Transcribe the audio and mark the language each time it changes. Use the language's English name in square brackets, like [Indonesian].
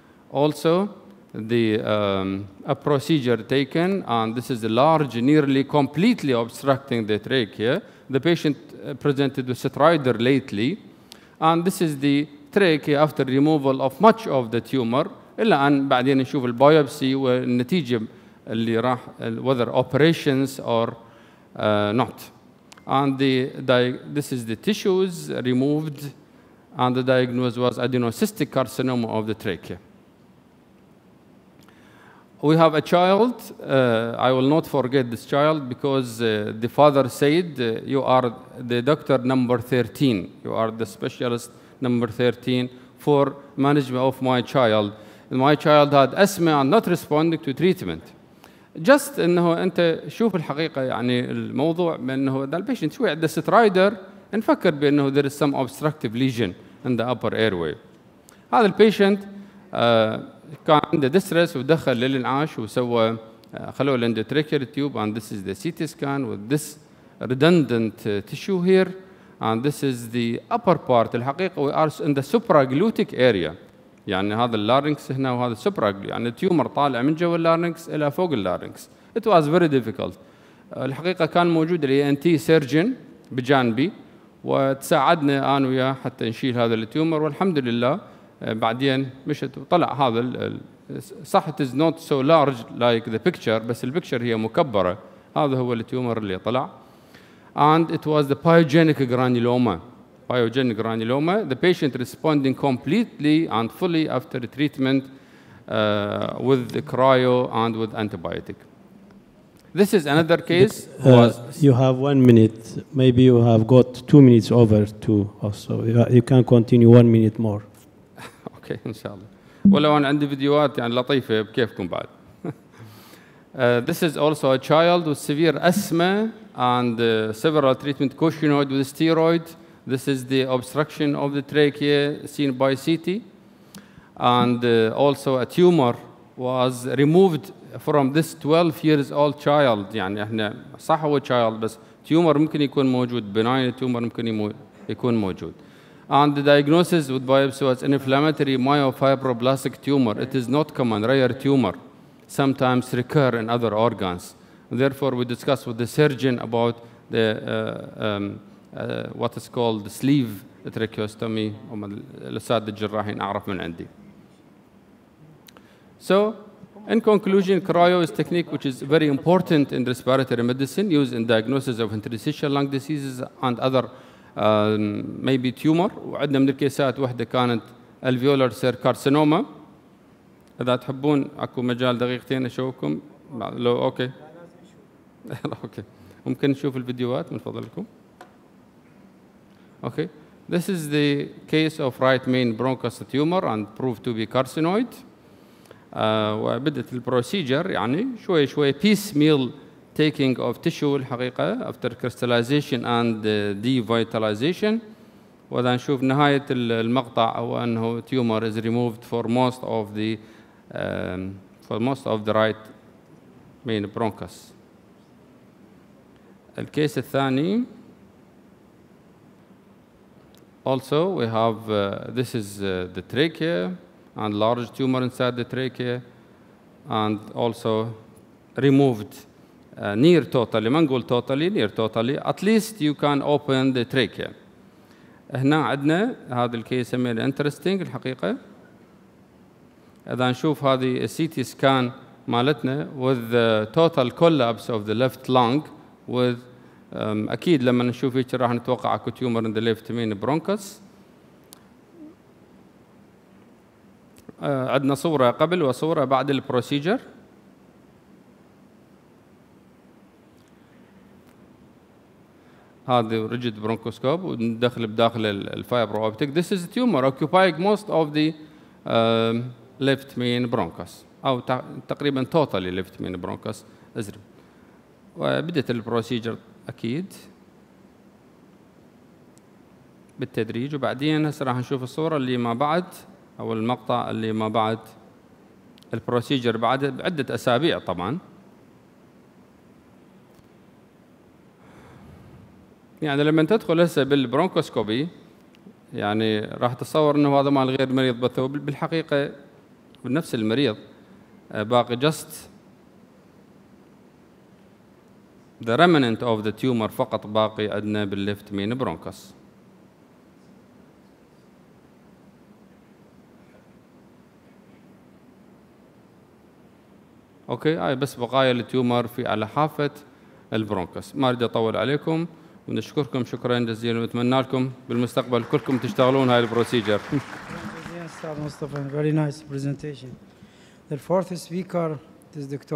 [English] Also, the a procedure taken, and this is a large, nearly completely obstructing the trachea. The patient presented with strider lately, and this is the trachea after removal of much of the tumor. [Arabic] إلا أن بعدين نشوف البيوبسي والنتيجة اللي راح [English] whether operations or not. And the this is the tissues removed, and the diagnosis was adenocystic carcinoma of the trachea. We have a child. I will not forget this child because the father said, you are the doctor number 13. You are the specialist number 13 for management of my child. And my child had asthma and not responding to treatment. Just [Arabic] انه انت شوف الحقيقة يعني الموضوع بانه [English] the patient [Arabic] شوي عنده [English] strider [Arabic] نفكر بانه [English] there is some obstructive lesion in the upper airway. [Arabic] هذا البيشنت كان عنده ديستريس ودخل للإنعاش وسوى خلوه الاندوتراكيال تيوب [English] and this is the CT scan with this redundant tissue here and this is the upper part. الحقيقة we are in the supraglutic area. [Arabic] يعني هذا اللارنكس هنا وهذا supraglutic يعني تيومر طالع من جوا اللارنكس إلى فوق اللارنكس. [English] It was very difficult. [Arabic] الحقيقة كان موجود الـ ENT surgeon بجانبي وتساعدنا أنا وياه حتى نشيل هذا التيومر والحمد لله بعدين مشت وطلع هذا صح [English] it is not so large like the picture [Arabic] بس البكتشر هي مكبرة. هذا هو التيومر اللي طلع [English] and it was the pyogenic granuloma. Pyogenic granuloma, the patient responding completely and fully after the treatment with the cryo and with antibiotic. This is another case. You have 1 minute. Maybe you have got 2 minutes over to us, so you can continue 1 minute more. Okay, inshallah. Well, I have videos, [Arabic] يعني لطيفة بكيفكم بعد. [English] This is also a child with severe asthma and several treatment cochionoid with steroid. This is the obstruction of the trachea seen by CT. And also a tumor was removed from this 12 years old child. [Arabic] يعني احنا صح هو child بس tumor ممكن يكون موجود benign tumor ممكن يكون موجود. [English] And the diagnosis with biopsy was inflammatory myofibroblastic tumor. It is not common, rare tumor. Sometimes recur in other organs. Therefore we discussed with the surgeon about the what is called sleeve tracheostomy. [Arabic] هم الأساتذة الجراحين أعرف من عندي. [English] So, in conclusion, cryo is a technique which is very important in respiratory medicine, used in diagnosis of interstitial lung diseases and other maybe tumor. [Arabic] وعندنا من الكيسات واحدة كانت alveolar cell carcinoma. إذا تحبون أكو مجال دقيقتين أشوفكم. لو أوكي. أوكي. ممكن نشوف الفيديوهات من فضلكم. [English] Okay, this is the case of right main bronchus tumor and proved to be carcinoid. [Arabic] وبدت البروسيجر يعني شوي شوي [English] piecemeal taking of tissue الحقيقة after crystallization and devitalization. [Arabic] وإذا نشوف نهاية المقطع أو أنه [English] tumor is removed for most of the right main bronchus. [Arabic] الكيس الثاني [English] also we have this is the trachea and large tumor inside the trachea and also removed near totally, [Arabic] ما نقول [English] totally, near totally, at least you can open the trachea. [Arabic] هنا عندنا هذا الكيس مال interesting الحقيقة. إذا نشوف هذه [English] CT scan مالتنا with the total collapse of the left lung with [Arabic] أكيد لما نشوف هيك راح نتوقع اكو تيومر [English] In the left main bronchus. [Arabic] عندنا صورة قبل وصورة بعد البروسيجر. هذا ريجيد برونكوسكوب وندخل بداخل الفايبر اوبتيك. [English] This is a tumor occupying most of the left main bronchus [Arabic] أو تقريبا [English] totally left main bronchus. [Arabic] أزرق. وبدأت البروسيجر أكيد بالتدريج وبعدين هسه راح نشوف الصورة اللي ما بعد أو المقطع اللي ما بعد البروسيجر بعد عدة أسابيع طبعا. يعني لما تدخل هسه بالبرونكوسكوبي يعني راح تصور انه هذا مال غير مريض بس هو بالحقيقة بنفس المريض باقي جست [English] the remnant of the tumor [Arabic] فقط باقي عندنا بالليفت مين برونكوس. اوكي هاي بس بقايا التيومر في على حافة البرونكوس. ما اريد اطول عليكم ونشكركم شكرا جزيلا ونتمنى لكم بالمستقبل كلكم تشتغلون هاي البروسيجر. [English] استاذ مصطفى very nice presentation. The fourth speaker is Dr.